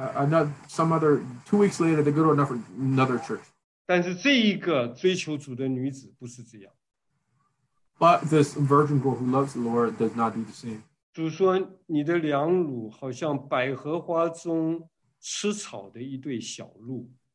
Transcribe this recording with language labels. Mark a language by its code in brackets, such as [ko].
[en] 2 weeks later, they go to another church. [zh] 但是这一个追求主的女子不是这样。 [en] But this virgin girl who loves the Lord does not do the same. [zh] 主说你的两乳好像百合花中吃草的一对小鹿。